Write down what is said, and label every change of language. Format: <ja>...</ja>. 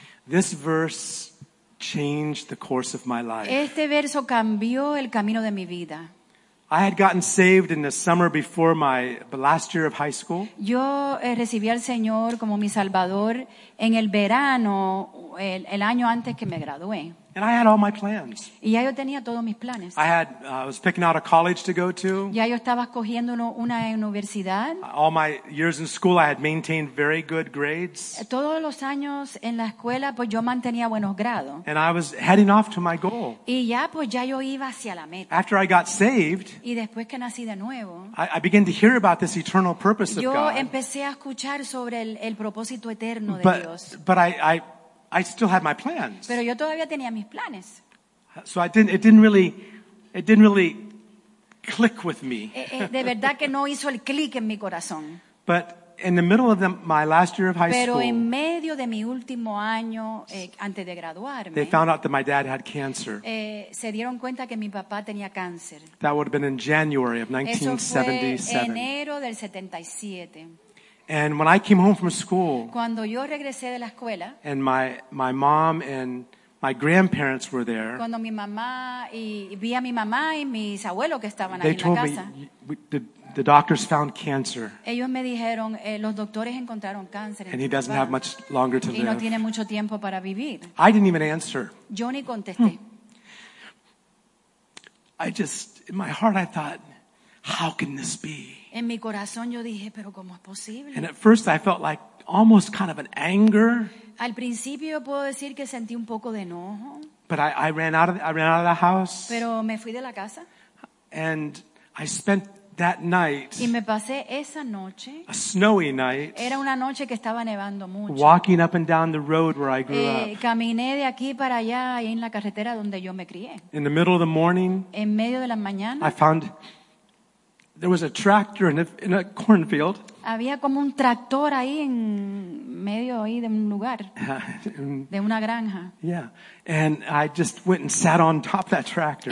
<en>This verse changed the course of my life.</en> <es>Este verso cambió el camino de mi vida.</es> <en>I had gotten saved in the summer before my last year of high school.</en> <es>Yo recibí al Señor como mi Salvador en el verano, el año antes que me gradué.</es> <en>And I had all my plans.</en> <es>Y ya yo tenía todos mis planes.</es> <en>I was picking out a college to go to.</en> <es>Ya yo estaba escogiendo una universidad.</es> <en>All my years in school, I had maintained very good grades.</en> <es>Todos los años en la escuela, pues yo mantenía buenos grados.</es> <en>And I was heading off to my goal.</en> <es>Y ya, pues ya yo iba hacia la meta.</es> <en>After I got saved,</en> <es>y después que nací de nuevo,</es> <en>I began to hear about this eternal purpose of God.</en> <es>Yo empecé a escuchar sobre el propósito eterno de Dios.</es> <en>But I still had my plans.</en> <es>Pero yo todavía tenía mis planes.</es> <en>So it didn't really click with me.</en> <es>De verdad que no hizo el click en mi corazón.</es> <en>But in the middle of my last year of high</en> <es>Pero</es> <en>school.</en> <es>Pero en medio de mi último año antes de graduarme.</es> <en>They found out that my dad had cancer.</en> <es>Se dieron cuenta que mi papá tenía cáncer.</es> <en>That would have been in January of 1977.</en> <es>Eso fue enero del 77.</es> <en>And when I came home from school,</en> <es>cuando yo regresé de la escuela,</es> <en>and my mom and my grandparents were there,</en> <es>cuando mi mamá y vi a mi mamá y mis abuelos que estaban ahí en la casa,</es> <en>they told me the doctors found cancer.</en> <es>Ellos me dijeron los doctores encontraron cáncer.</es> <en>And he doesn't have much longer to live.</en> <es>Y no tiene mucho tiempo para vivir.</es> <en>I didn't even answer.</en> <es>Yo ni contesté.</es> <en>I just in my heart I thought, how can this be?</en> <es>En mi corazón yo dije, pero ¿cómo es posible?</es> <en>And at first I felt like almost kind of an anger.</en> <es>Al principio puedo decir que sentí un poco de enojo.</es> <en>But I ran out of the house.</en> <es>Pero me fui de la casa.</es> <en>And I spent that night.</en> <es>Y me pasé esa noche.</es> <en>A snowy night.</en> <es>Era una noche que estaba nevando mucho.</es> <en>Walking up and down the road where I grew up.</en> <es>Caminé de aquí para allá en la carretera donde yo me crié.</es> <en>In the middle of the morning.</en> <es>En medio de la mañana.</es> <en>I found there was a tractor in a cornfield.</en> <es>Había como un tractor ahí en medio ahí de un lugar. De una granja.</es> <en>Yeah. And I just went and sat on top of that tractor.</en>